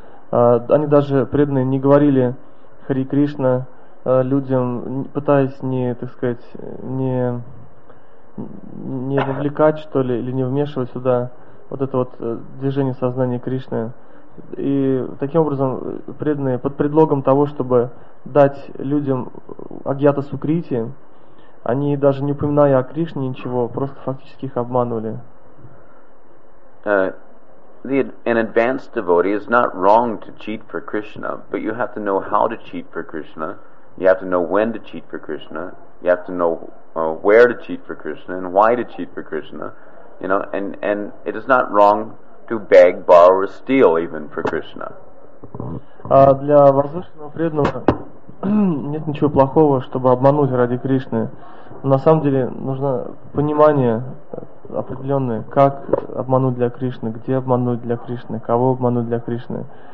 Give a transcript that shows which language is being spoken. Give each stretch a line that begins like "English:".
Russian: Они даже, преданные, не говорили Хари Кришна людям, пытаясь не, так сказать, не вовлекать, что ли, или не вмешивать сюда вот это вот движение сознания Кришны. И таким образом, преданные, под предлогом того, чтобы дать людям агьята сукрити, они даже не упоминая о Кришне ничего, просто фактически их обманывали.
English: An advanced devotee is not wrong to cheat for Krishna, but you have to know how to cheat for Krishna, you have to know when to cheat for Krishna, you have to know where to cheat for Krishna, and why to cheat for Krishna, you know, and it is not wrong to beg, borrow, or steal even for Krishna.
Russian: Для возвышенного преданного нет ничего плохого, чтобы обмануть ради Кришны. На самом деле нужно понимание определенное, как обмануть для Кришны, где обмануть для Кришны, кого обмануть для Кришны.